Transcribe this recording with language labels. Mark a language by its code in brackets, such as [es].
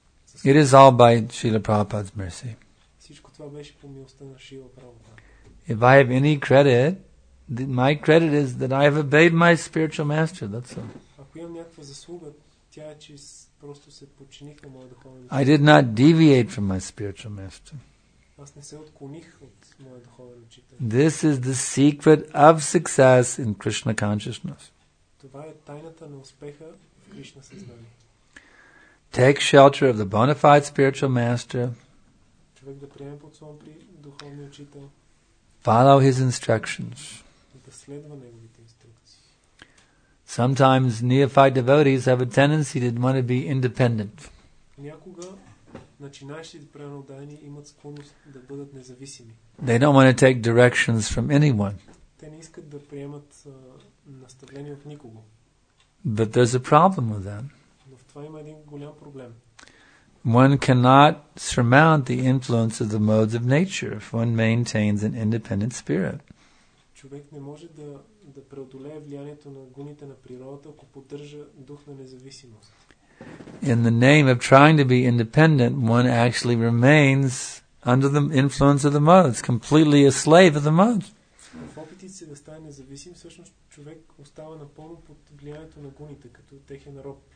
[en] It is all by Srila Prabhupada's mercy. [bg] Всичко това беше по милостта на Шрила Прабхупада. [en] If I have any credit, my credit is that I have obeyed my spiritual master, that's all. [bg] Ако имам някаква заслуга, тя е, че просто се подчиних на моя духовен учител. [en] I did not deviate from my spiritual master. [bg] Аз не се отклоних от моя духовен учител. [en] This is the secret of success in Krishna consciousness. [bg] Това е тайната на успеха в Кришна съзнание. [en] Take shelter of the bona fide spiritual master. [bg] Човек да приеме под своя духовен учител. [en] Follow his instructions. [bg] Да следва неговите инструкции. [en] Sometimes neophyte devotees have a tendency to want to be independent. [bg] Някога начинаещите преродени имат склонност да бъдат независими. [en] They don't want to take directions from anyone. [bg] Те не искат да приемат наставления от никого. [en] But there's a problem with that. [bg] Това има един голям проблем. [en] One cannot surmount the influence of the modes of nature if one maintains an independent spirit. [bg] Човек не може да преодолее влиянието на гуните на природата, ако поддържа дух на независимост. [en] In the name of trying to be independent, one actually remains under the influence of the modes, completely a slave of the modes. [bg] В опитите си да стане независим, всъщност човек остава напълно под влиянието на гуните, като техен роб.